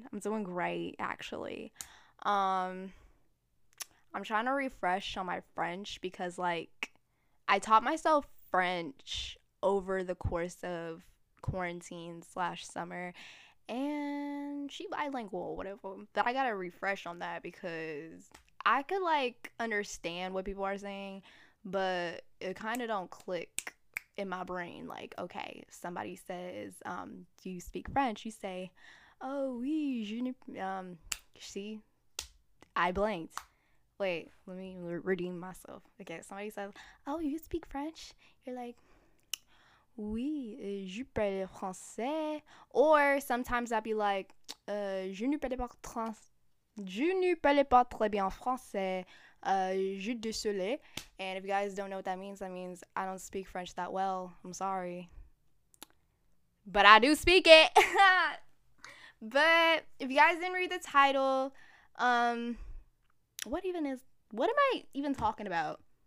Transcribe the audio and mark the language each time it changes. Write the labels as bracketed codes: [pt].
[en] I'm doing great, actually. I'm trying to refresh on my French because, I taught myself French over the course of quarantine / summer, and she bilingual, whatever, but I gotta refresh on that because I could understand what people are saying, but it kind of don't click in my brain. Okay, somebody says, do you speak French? You say, oh [fr] oui, je ne, [en] see, I blanked. Wait, let me redeem myself. Okay, somebody says, oh, you speak French? You're like, [fr] oui, je parle français. [en] Or sometimes I'll be like, [fr] je ne parle pas très bien français. Je suis désolée. [en] And if you guys don't know what that means I don't speak French that well. I'm sorry. But I do speak it. But if you guys didn't read the title, what am I even talking about?